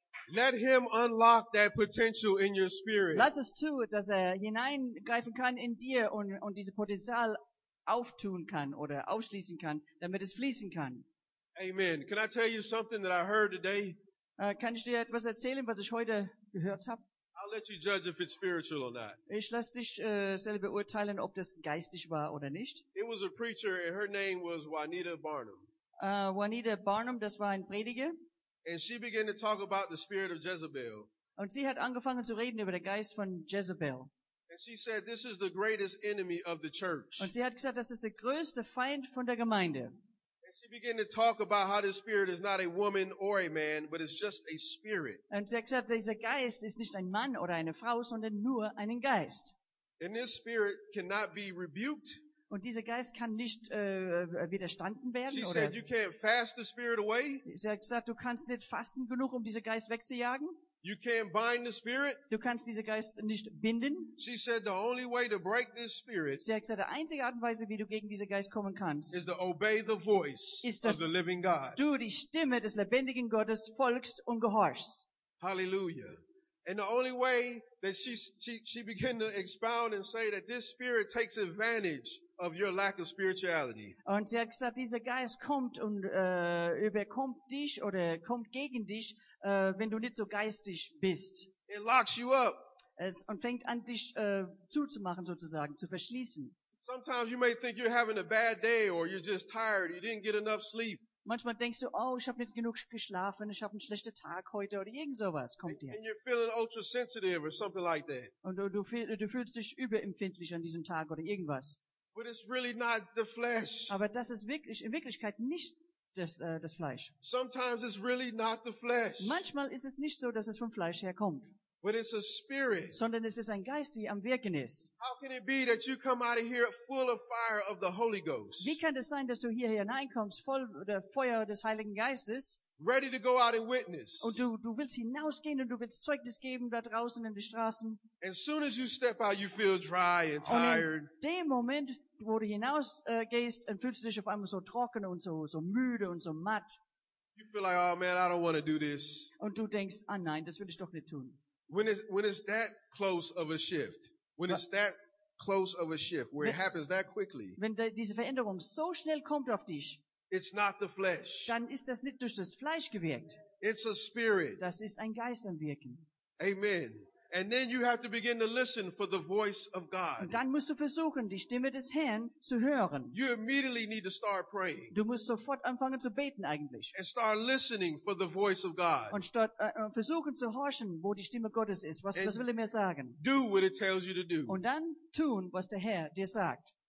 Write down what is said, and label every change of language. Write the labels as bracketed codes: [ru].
[en] Let him unlock that potential in your spirit. [de] Lass es zu, dass er hineingreifen kann in dir und dieses Potenzial auftun kann oder ausschließen kann, damit es fließen kann. [en] Amen. Can I tell you something that I heard today? [de] Kann ich dir etwas erzählen, was ich heute gehört habe? [en] I'll let you judge if it's spiritual or not. [de] Ich lasse dich selber urteilen, ob das geistig war oder nicht. [en] It was a preacher, and her name was Juanita Barnum. [de] Juanita Barnum, das war ein Prediger. [en] And she began to talk about the spirit of Jezebel. [de] Und sie hat angefangen zu reden über den Geist von Jezebel. [en] And she said, "This is the greatest enemy of the church." [de] Und sie hat gesagt, das ist der größte Feind von der Gemeinde. [en] She began to talk about how this spirit is not a woman or a man, but it's just a spirit. [de] Und sie hat gesagt, dieser Geist ist nicht ein Mann oder eine Frau, sondern nur einen Geist. [en] And this spirit cannot be rebuked. [de] Und dieser Geist kann nicht widerstanden werden. [en] She [de] oder? [en] Said, you can't fast the spirit away. [de] Sie hat gesagt, du kannst nicht fasten genug, um diesen Geist wegzujagen. [en] You can't bind the spirit. [de] Du kannst diesen Geist nicht binden. [en] She said the only way to break this spirit. [de] Sie hat gesagt, die einzige Art und Weise, wie du gegen diesen Geist kommen kannst, [en] is to obey the voice [de] ist, dass [en] of the living God. [de] Du die Stimme des lebendigen Gottes folgst und gehorchst. [en] Hallelujah. And the only way that she began to expound and say that this spirit takes advantage of your lack of spirituality. [de] Und sie hat gesagt, dieser Geist kommt und überkommt dich oder kommt gegen dich, wenn du nicht so geistig bist. [en] It locks you up. [de] Es, und fängt an, dich zuzumachen sozusagen, zu verschließen. [en] Sometimes you may think you're having a bad day or you're just tired, you didn't get enough sleep. [de] Manchmal denkst du, oh, ich habe nicht genug geschlafen, ich habe einen schlechten Tag heute oder irgend sowas kommt dir. [en] And you're feeling ultra sensitive or something like that. [de] Und du fühlst dich überempfindlich an diesem Tag oder irgendwas. [en] But it's really not the flesh. [de] Aber das ist wirklich, in Wirklichkeit nicht das, das Fleisch. [en] Sometimes it's really not the flesh. [de] Manchmal ist es nicht so, dass es vom Fleisch herkommt. [en] But it's a spirit. [de] Sondern es ist ein Geist, der am Wirken ist. [en] How can it be that you come out of here full of fire of the Holy Ghost? [de] Wie kann es sein, dass du hier hineinkommst voll der Feuer des Heiligen Geistes? [en] Ready to go out and witness. [de] Und du willst hinausgehen und du willst Zeugnis geben da draußen in den Straßen. [en] And soon as you step out, you feel dry and tired. [de] Und in dem Moment, wo du hinausgehst, fühlst du dich auf einmal so trocken und so müde und so matt. [en] You feel like, oh man, I don't want to do this. [de] Und du denkst, ah nein, das will ich doch nicht tun. [en] When it's that close of a shift, when it's that close of a shift, where it happens that quickly, [de] wenn diese Veränderung so schnell kommt auf dich, [en] it's not the flesh. [de] Dann ist das nicht durch das Fleisch gewirkt. [en] It's a spirit. [de] Das ist ein Geist am Wirken. [en] Amen. And then you have to begin to listen for the voice of God. [de] Und dann musst du versuchen, die Stimme des Herrn zu hören. [en] You immediately need to start praying. [de] Du musst sofort anfangen zu beten eigentlich. [en] And start listening for the voice of God. [de] Und statt versuchen zu horchen, wo die Stimme Gottes ist, was will er mir sagen? [en] Do what it tells you to do. [de] Und dann tun, was der Herr dir sagt.